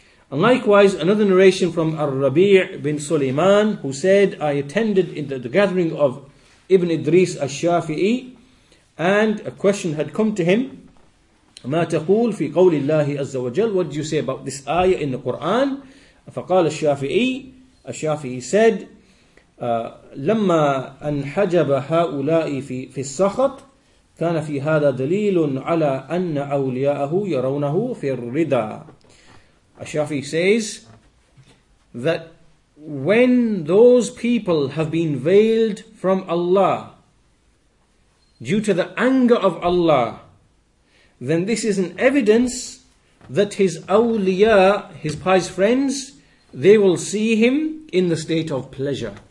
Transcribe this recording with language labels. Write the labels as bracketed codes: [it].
[en] And likewise, another narration from Ar-Rabi' bin Sulaiman, who said, I attended in the gathering of Ibn Idris al-Shafi'i, and a question had come to him, [ar] مَا تَقُولُ فِي قَوْلِ اللَّهِ عَزَّ وَجَلُ. [en] What do you say about this ayah in the Qur'an? [ar] فَقَالَ الشَّافِعِي, الشَّافِعِي [en] said, [ar] لما أنحجب هؤلاء في السخط كان في هذا دليل على أن أولياءه يرونه في الرضا. [en] Ash-Shafi says that when those people have been veiled from Allah due to the anger of Allah, then this is an evidence that his awliya, his pious friends, they will see him in the state of pleasure.